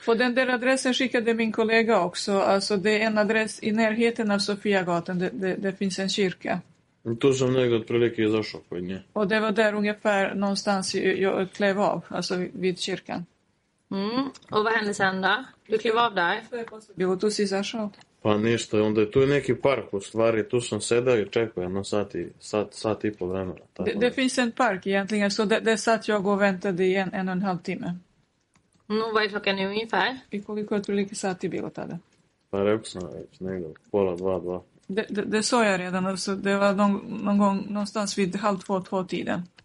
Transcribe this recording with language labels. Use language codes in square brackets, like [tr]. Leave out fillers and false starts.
[sv] På den der adresen skickade min kollega också, alltså det är en adres i närheten av Sofia Gatan, det finns en kyrka. [sr] Tu sam negde otprilike izašao kod nje. [sv] Och det var där ungefär någonstans jag klev av, alltså vid kyrkan. Mm, och vad hände sen då? Du klev av där? [sr] Jo, tu si izašao. Pa ništa, onda je tu neki park u stvari, tu sam sedao i čekao jedno sat i po vremena. [sv] Det finns en park egentligen, så det satt jag och väntade i en och en halv timme. No, vad är klockan ungefär? [sr] I koliko je otprilike sat i bilo tada? Pa rekao sam već, negdje, pola, dva. [sv] Det sa jag redan, alltså, det var någon gång någonstans vid 1:30, 2 tiden.